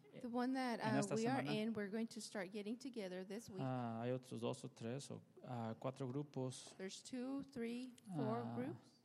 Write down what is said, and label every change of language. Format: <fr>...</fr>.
<en>The one that we are in, we're going to start getting together this week.</en> <es>Hay otros dos o tres o cuatro grupos.</es> <en>There's two, three, four groups.</en>